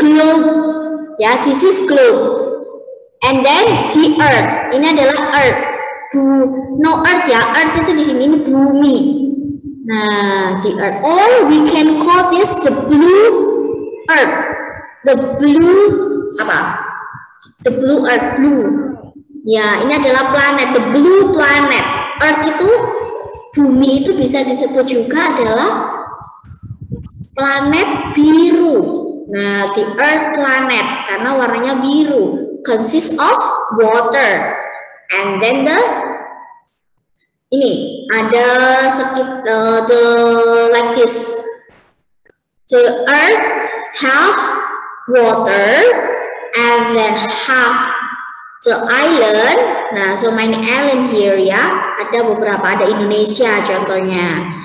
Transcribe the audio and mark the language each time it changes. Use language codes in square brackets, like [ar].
[en] Globe. Yeah, this is globe. And then the earth. [id] Ini adalah earth. [en] No earth ya. [id] Earth itu di sini bumi. Nah, the earth. [en] Or we can call this the blue earth. The blue apa? The blue earth, blue. [id] Ya, ini adalah planet, [en] the blue planet. [id] Earth itu bumi itu bisa disebut juga adalah planet biru. [en] Nah, the earth planet [id] karena warnanya biru, [en] consists of water. And then the [id] ini ada sekitar [en] the like this. The earth half water and then half the island. Nah, so many island here ya. [id] Ada beberapa, ada Indonesia contohnya.